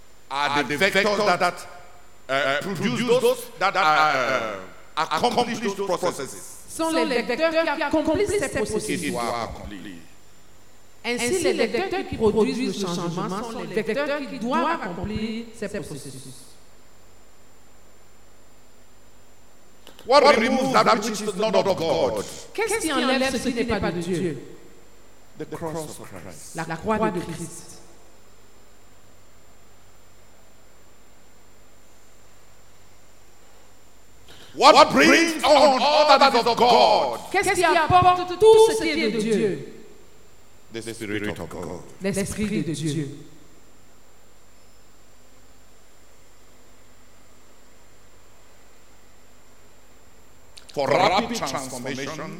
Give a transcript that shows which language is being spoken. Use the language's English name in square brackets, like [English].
[English] Are the vectors that produce those that accomplish those processes? [French] Sont les vecteurs qui accomplissent ces processus. Ainsi, les vecteurs qui produisent le changement sont les vecteurs qui doivent accomplir ces processus. [English] What removes that which is not of God? [French] Qu'est-ce qui enlève ce qui n'est pas de Dieu? [English] The cross of Christ. [French] La croix de Christ. [English] What brings on all that is of God? [French] Qu'est-ce qui apporte tout ce qui est de Dieu? [English] The Spirit of God. [French] L'Esprit de Dieu. [English] For rapid transformation.